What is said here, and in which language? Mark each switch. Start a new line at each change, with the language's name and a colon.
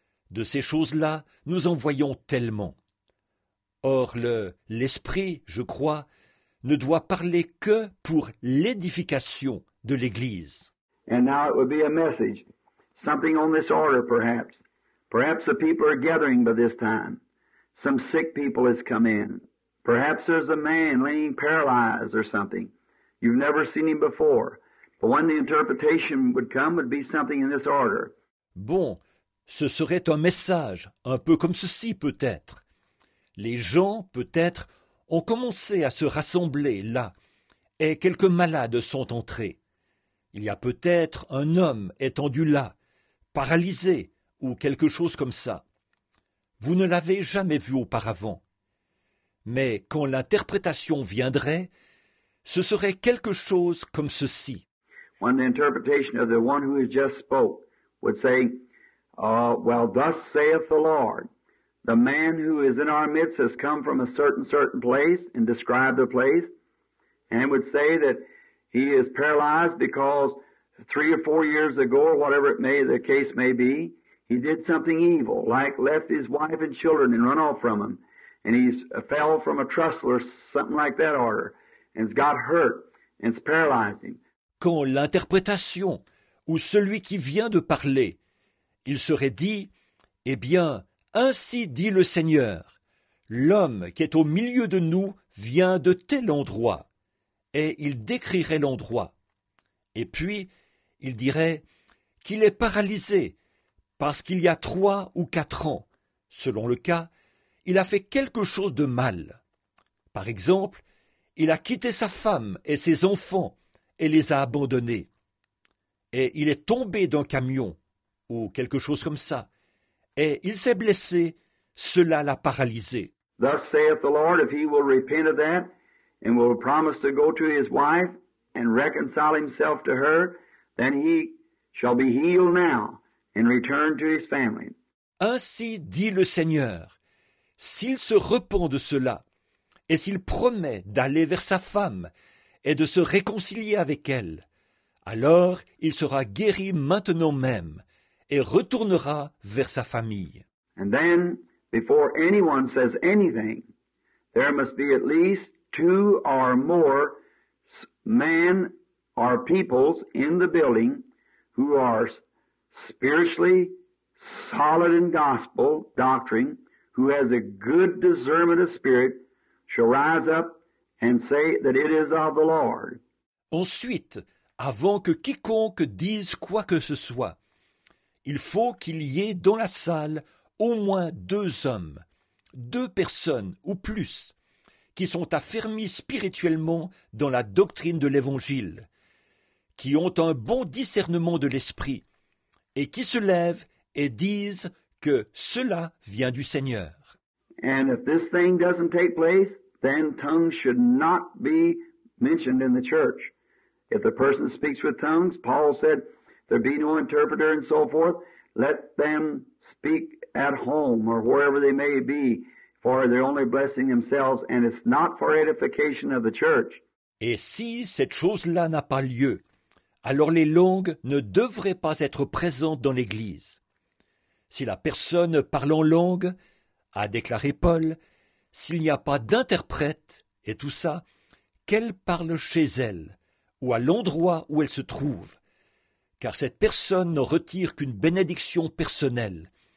French: De ces choses-là, nous en voyons tellement. Or, l'Esprit, je crois, ne doit parler que pour l'édification de l'Église.
English: And now it would be a message. Something on this order, perhaps. Perhaps the people are gathering by this time. Some sick people has come in. Perhaps there's a man laying paralyzed or something. You've never seen him before. But when the interpretation would come, it would be something in this order.
French: Bon, ce serait un message, un peu comme ceci peut-être. Les gens, peut-être, ont commencé à se rassembler là, et quelques malades sont entrés. Il y a peut-être un homme étendu là, paralysé ou quelque chose comme ça. Vous ne l'avez jamais vu auparavant. Mais quand l'interprétation viendrait, ce serait quelque chose comme ceci.
English: When the interpretation of the one who has just spoke would say, well, thus saith the Lord, the man who is in our midst has come from a certain place and described the place, and would say that he is paralyzed because 3 or 4 years ago, or whatever it may, the case may be, he did something evil, like left his wife and children and run off from them. And he's fell from a trestle or something like that order, and has got hurt, and it's paralyzing.
French: Quand l'interprétation, ou celui qui vient de parler, il serait dit, eh bien, ainsi dit le Seigneur, l'homme qui est au milieu de nous vient de tel endroit, et il décrirait l'endroit. Et puis, il dirait qu'il est paralysé parce qu'il y a 3 ou 4 ans, selon le cas, il a fait quelque chose de mal. Par exemple, il a quitté sa femme et ses enfants et les a abandonnés. Et il est tombé d'un camion ou quelque chose comme ça. Et il s'est blessé, cela l'a paralysé.
English: Thus saith the Lord, if he will repent of that and will promise to go to his wife, and reconcile himself to her, then he shall be healed now and return to his family.
French: Ainsi dit le Seigneur, s'il se repent de cela, et s'il promet d'aller vers sa femme et de se réconcilier avec elle, alors il sera guéri maintenant même et retournera vers sa famille.
English: And then, before anyone says anything, there must be at least 2 or more men are peoples in the building who are spiritually solid in gospel doctrine, who has a good discernment of spirit, shall rise up and say that it is of the Lord.
French: Ensuite, avant que quiconque dise quoi que ce soit. Il faut qu'il y ait dans la salle au moins deux hommes, deux personnes ou plus, qui sont affermis spirituellement dans la doctrine de l'Évangile, qui ont un bon discernement de l'Esprit, et qui se lèvent et disent que cela vient du Seigneur.
English: And if this thing doesn't take place, then tongues should not be mentioned in the church. If the person speaks with tongues, Paul said, there be no interpreter and so forth, let them speak at home or wherever they may be, for they're only blessing themselves, and it's not for edification of the church.
French: Et si cette chose-là n'a pas lieu, alors les langues ne devraient pas être présentes dans l'Église. Si la personne parle en langue, a déclaré Paul, s'il n'y a pas d'interprète et tout ça, qu'elle parle chez elle ou à l'endroit où elle se trouve, car cette personne ne retire qu'une bénédiction personnelle.